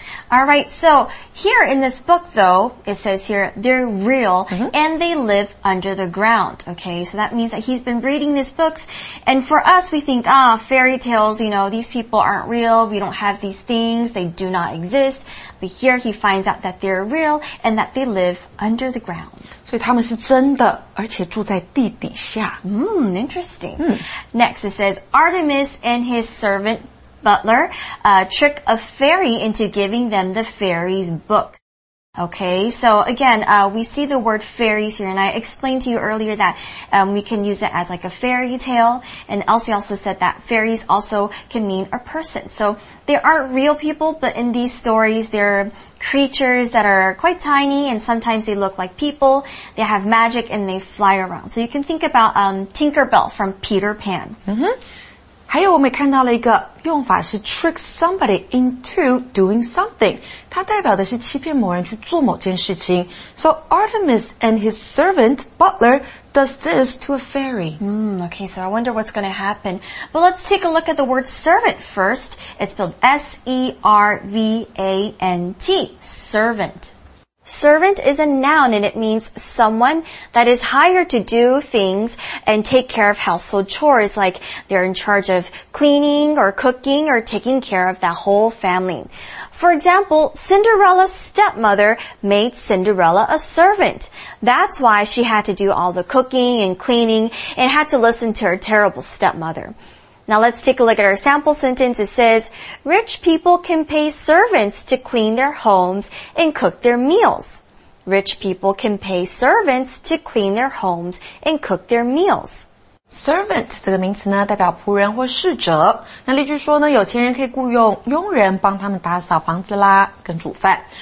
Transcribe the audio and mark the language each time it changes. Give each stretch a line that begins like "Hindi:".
English: Alright, so here in this book though, it says here, they're real、mm-hmm. and they live under the ground. Okay, so that means that he's been reading these books. And for us, we think, fairy tales, you know, these people aren't real. We don't have these things. They do not exist. But here he finds out that they're real and that they live under the ground.
Chinese: 所以他们是真的，而且住在地底下。
English: Interesting. Next, it says Artemis and his servant butler, trick a fairy into giving them the fairy's book. Okay, so again, we see the word fairies here, and I explained to you earlier that we can use it as like a fairy tale. And Elsie also said that fairies also can mean a person. So they aren't real people, but in these stories, they're creatures that are quite tiny and sometimes they look like people. They have magic and they fly around. So you can think about Tinkerbell from Peter Pan.
Chinese: Mm-hmm. 还有我们看到了一个用法是
English: trick somebody into doing something.
Chinese: 它代表的是欺骗某人去做某件事情。
English: So Artemis and his servant, butler, does this to a fairy. Okay, so I wonder what's going to happen. But let's take a look at the word servant first. It's spelled S-E-R-V-A-N-T, servant. Servant is a noun and it means someone that is hired to do things and take care of household chores, like they're in charge of cleaning or cooking or taking care of that whole family. For example, Cinderella's stepmother made Cinderella a servant. That's why she had to do all the cooking and cleaning and had to listen to her terrible stepmother. Now let's take a look at our sample sentence. It says, rich people can pay servants to clean their homes and cook their meals. Rich people can pay servants to clean their homes and cook their meals.
Chinese: Servant 这个名词呢代表仆人或侍者。那例句说呢，有钱人可以雇佣佣人帮他们打扫房子啦跟煮饭。